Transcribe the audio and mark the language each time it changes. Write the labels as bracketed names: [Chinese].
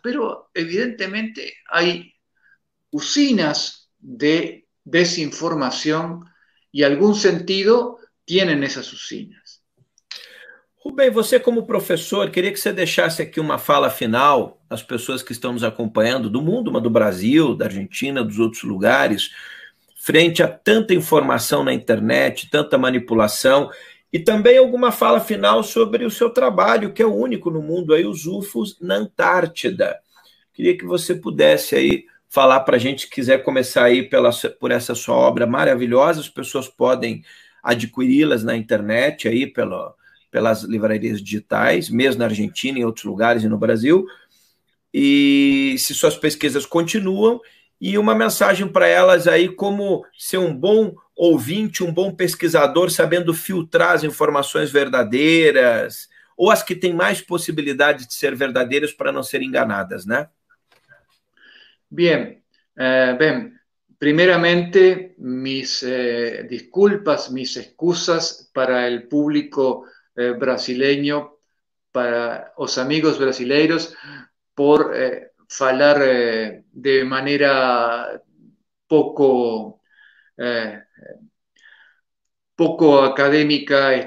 [Spanish] Pero evidentemente hay usinas de desinformación y algún sentido tienen esas usinas. [Portuguese] Rubem, você como professor, queria que você deixasse aqui uma fala final às pessoas que estão nos acompanhando do mundo, mas do Brasil, da Argentina, dos outros lugares. Frente a tanta informação na internet, tanta manipulação, e também alguma fala final sobre o seu trabalho, que é o único no mundo aí, os UFOs na Antártida. Queria que você pudesse aí falar para a gente, quiser começar aí por essa sua obra maravilhosa, as pessoas podem adquiri-las na internet aí pelas livrarias digitais, mesmo na Argentina, em outros lugares e no Brasil. E se suas pesquisas continuam. E uma mensagem para elas aí, como ser um bom ouvinte, um bom pesquisador, sabendo filtrar as informações verdadeiras, ou as que têm mais possibilidade de ser verdadeiras para não serem enganadas, né? [Spanish] Bien, bien, primeramente mis disculpas, mis excusas para el público brasileño, para los amigos [Portuguese] brasileiros, [Spanish] por hablar de manera poco académica.